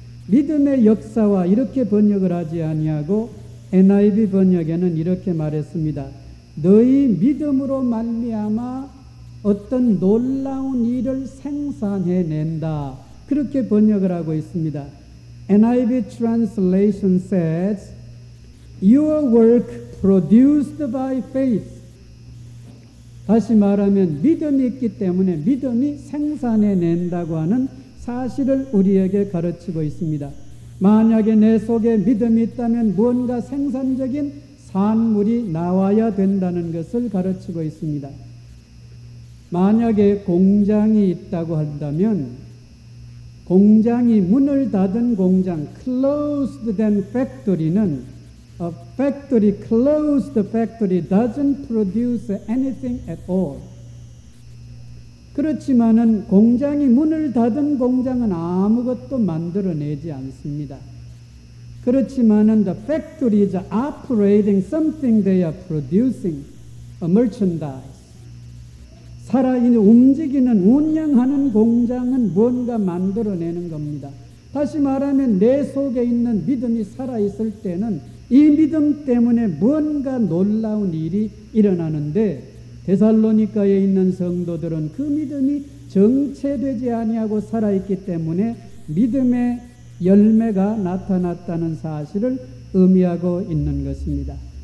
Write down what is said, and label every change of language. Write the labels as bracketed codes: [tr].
[ko] 믿음의 역사와 이렇게 번역을 하지 아니하고 NIV 번역에는 이렇게 말했습니다. 너희 믿음으로 말미암아 어떤 놀라운 일을 생산해낸다. 그렇게 번역을 하고 있습니다. [en] NIV translation says, Your work produced by faith. [ko] 다시 말하면 믿음이 있기 때문에 믿음이 생산해낸다고 하는 사실을 우리에게 가르치고 있습니다. 만약에 내 속에 믿음이 있다면 무언가 생산적인 산물이 나와야 된다는 것을 가르치고 있습니다. 만약에 공장이 있다고 한다면 공장이 문을 닫은 공장, [en] closed then factory는 a factory, closed factory doesn't produce anything at all. [ko] 그렇지만은 공장이 문을 닫은 공장은 아무것도 만들어내지 않습니다. 그렇지만은 [en] the factory is operating something they are producing, a merchandise. [ko] 살아있는, 움직이는, 운영하는 공장은 무언가 만들어내는 겁니다. 다시 말하면 내 속에 있는 믿음이 살아있을 때는 이 믿음 때문에 무언가 놀라운 일이 일어나는데, 데살로니가에 있는 성도들은 그 믿음이 정체되지 아니하고 살아있기 때문에 믿음의 열매가 나타났다는 사실을 의미하고 있는 것입니다.